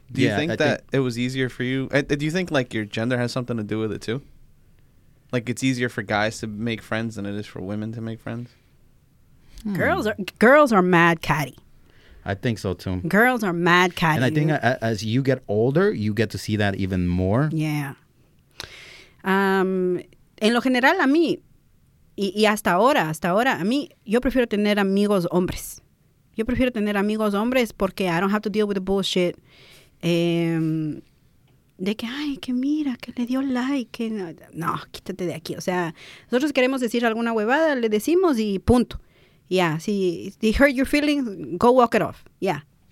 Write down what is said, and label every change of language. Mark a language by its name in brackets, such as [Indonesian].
[English] Do you think it was easier for you? Do you think like your gender has something to do with it too? Like it's easier for guys to make friends than it is for women to make friends? Girls are mad catty. I think so too. Girls are mad catty. And I think as you get older, you get to see that even more. Yeah. [Spanish] En lo general, a mí, y hasta ahora, a mí, yo prefiero tener amigos hombres. Yo prefiero tener amigos hombres porque [English] I don't have to deal with the bullshit. [Spanish] De que, ay, que mira, que le dio like. Que no, quítate de aquí. O sea, nosotros queremos decir alguna huevada, le decimos y punto. [English] Yeah, see, they hurt your feelings, go walk it off. Yeah.